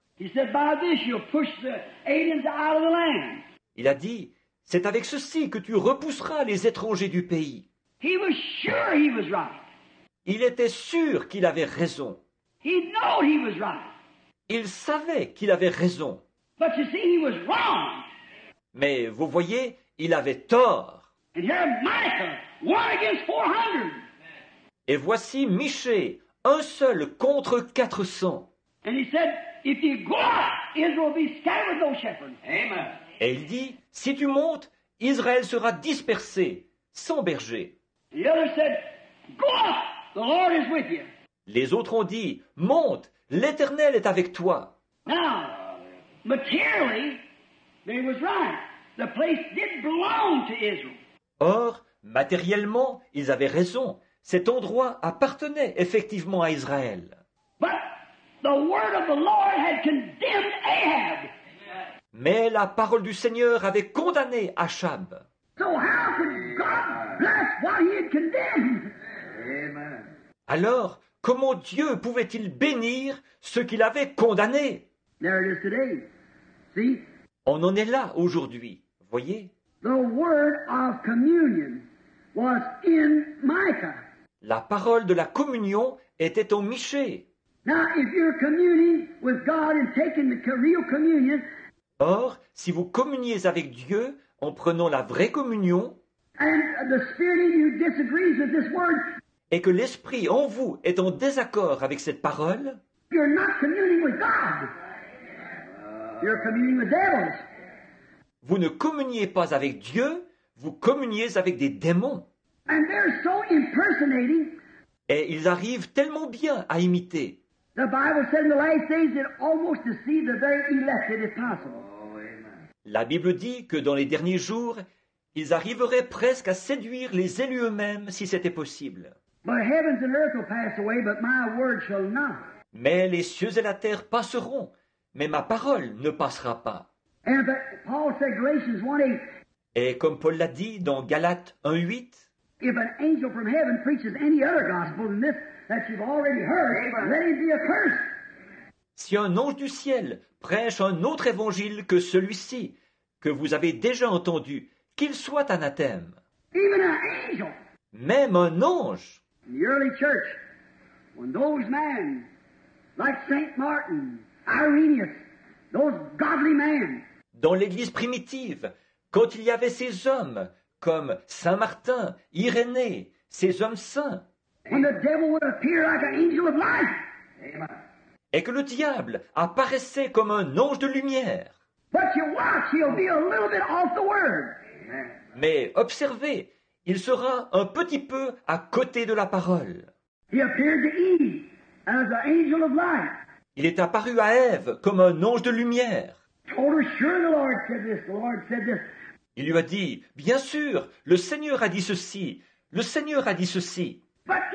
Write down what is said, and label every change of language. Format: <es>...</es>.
<en>He said, by this you'll push the aliens out of the land.</en> <fr>Il a dit, c'est avec ceci que tu repousseras les étrangers du pays.</fr> <en>He was sure he was right.</en> <fr>Il était sûr qu'il avait raison.</fr> <en>He knew he was right.</en> <fr>Il savait qu'il avait raison.</fr> <en>But you see, he was wrong.</en> <fr>Mais vous voyez, il avait tort.</fr> <en>And here Micah, one against 400.</en> <fr>Et voici Michée, un seul contre 400.</fr> <en>And he said, if you go out, Israel will be scattered with no shepherd. Amen.</en> <fr>Et il dit, si tu montes, Israël sera dispersé, sans berger.</fr> <en>The other said, go out, the Lord is with you.</en> <fr>Les autres ont dit, monte, l'Éternel est avec toi.</fr> <en>Now, materially, they was right. The place didn't belong to Israel.</en> <fr>Or, matériellement, ils avaient raison. Cet endroit appartenait effectivement à Israël.</fr> <en>But the word of the Lord had condemned Ahab.</en> <fr>Mais la parole du Seigneur avait condamné Achab.</fr> <en>So how could God bless what he had condemned? Amen.</en> <fr>Alors, comment Dieu pouvait-il bénir ce qu'il avait condamné?</fr> <en>There it is today. See?</en> <fr>On en est là aujourd'hui, voyez?</fr> <en>The word of communion was in Micah.</en> <fr>La parole de la communion était en Michée.</fr> <en>Now, if you're communing with God and taking the real communion,</en> <fr>or, si vous communiez avec Dieu en prenant la vraie communion,</fr> <en>and the spirit in you disagrees with this word,</en> <fr>et que l'esprit en vous est en désaccord avec cette parole,</fr> <en>you're not communing with God. You're communing with devils.</en> <fr>Vous ne communiez pas avec Dieu, vous communiez avec des démons.</fr> <en>And they're so impersonating.</en> <fr>Et ils arrivent tellement bien à imiter.</fr> <en>The Bible said in the last days it almost deceived the very elect if possible. Oh, amen.</en> <fr>La Bible dit que dans les derniers jours, ils arriveraient presque à séduire les élus eux-mêmes si c'était possible.</fr> <en>But heavens and earth will pass away, but my word shall not.</en> <fr>Mais les cieux et la terre passeront, mais ma parole ne passera pas.</fr> <en>And Paul said Galatians 1:8.</en> <fr>Et comme Paul l'a dit dans Galates 1:8.</fr> <en>If an angel from heaven preaches any other gospel than this that you've already heard, let him be accursed.</en> <fr>Si un ange du ciel prêche un autre évangile que celui-ci, que vous avez déjà entendu, qu'il soit anathème.</fr> <en>Even an angel.</en> <fr>Même un ange.</fr> <en>In the early church, when those men, like Saint Martin, Irenaeus, those godly men.</en> <fr>Dans l'Église primitive, quand il y avait ces hommes, comme Saint Martin, Irénée, ces hommes saints.</fr> <en>When the devil would appear like an angel of light. Amen.</en> <fr>Et que le diable apparaissait comme un ange de lumière.</fr> <en>But you watch, he'll be a little bit off the word. Amen.</en> <fr>Mais observez, il sera un petit peu à côté de la parole.</fr> <en>He appeared to Eve as an angel of light.</en> <fr>Il est apparu à Ève comme un ange de lumière.</fr> <en>Told her, sure, the Lord said this, the Lord said this.</en> <fr>Il lui a dit, « Bien sûr, le Seigneur a dit ceci, le Seigneur a dit ceci. »</fr>